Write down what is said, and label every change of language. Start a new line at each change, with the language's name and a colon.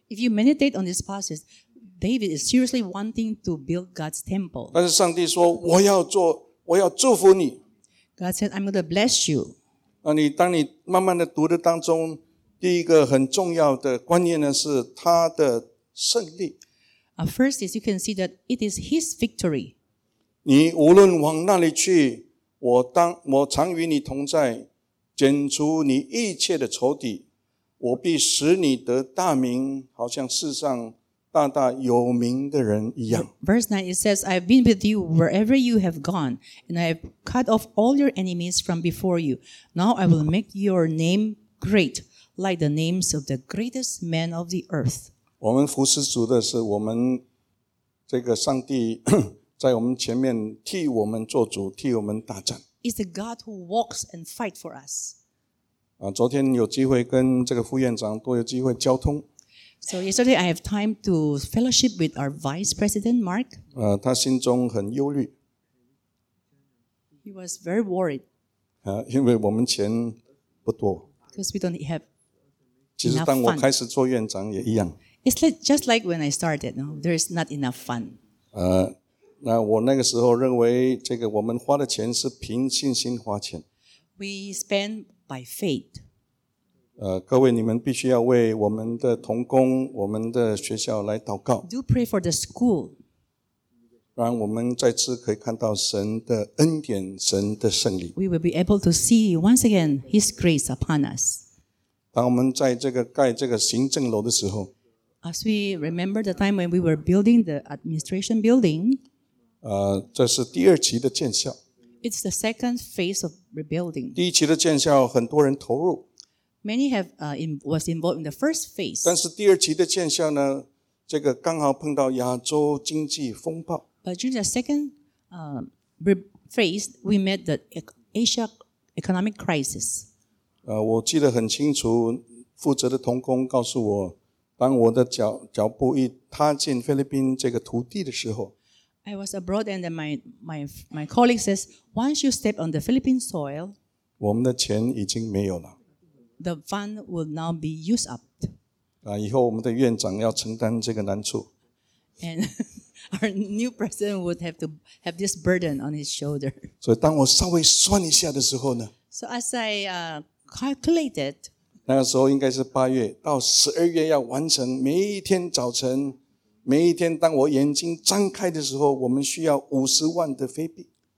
English: If you meditate on this passage. David is seriously wanting to build God's temple.
Chinese: 但是上帝说我要做，我要祝福你。
English: God said, I'm going to bless you.
Chinese: 那你当你慢慢的读的当中，第一个很重要的观念呢是他的胜利。
English: First is you can see that it is his victory.
Chinese: 你无论往那里去，我常与你同在，剪除你一切的仇敌，我必使你得大名，好像世上大大有名的人一样。
English: Verse 9, it says, I've been with you wherever you have gone, and I have cut off all your enemies from before you. Now I will make your name great, like the names of the greatest men of the earth.
Chinese: 我们服侍主的是我们这个上帝在我们前面替我们做主，替我们打仗。
English: It's the God who walks and fight for us.
Chinese: 昨天有机会跟这个副院长多有机会交通。
English: So yesterday I have time to fellowship with our vice president, Mark.
Chinese: 他心中很忧虑。
English: He was very worried.
Chinese: 因为我们钱不多。
English: Because we don't have enough funds.
Chinese: 其实当我开始做院长也一样。
English: It's like, just like when I started, no? There is not enough fund.
Chinese: 那我那个时候认为这个我们花的钱是凭信心花钱。
English: We spend by faith.
Chinese: 各位，你们必须要为我们的同工、我们的学校来祷告。
English: Do pray for the school.
Chinese: 让我们再次可以看到神的恩典、神的胜利。
English: We will be able to see once again His grace upon us.
Chinese: 当我们在这个盖这个行政楼的时候
English: ，As we remember the time when we were building the administration building，
Chinese: 这是第二期的建校。
English: It's the second phase of rebuilding。
Chinese: 第一期的建校很多人投入。
English: Many have was involved in the first phase。
Chinese: 但是第二期的建校呢，这个刚好碰到亚洲经济风暴。
English: But during the second phase, we met the Asia economic crisis。
Chinese: 我记得很清楚，负责的同工告诉我，当我的脚步一踏进菲律宾这个土地的时候
English: ，I was abroad and my colleague says once you step on the Philippine soil，
Chinese: 我们的钱已经没有了
English: ，the fund will now be used up。
Chinese: 以后我们的院长要承担这个难处
English: ，and our new president would have to have this burden on his shoulder。
Chinese: 所以当我稍微算一下的时候呢
English: ，so as I calculated，
Chinese: 那个时候应该是八月到十二月要完成。每一天早晨，每一天当我眼睛张开的时候，我们需要五十万的菲币。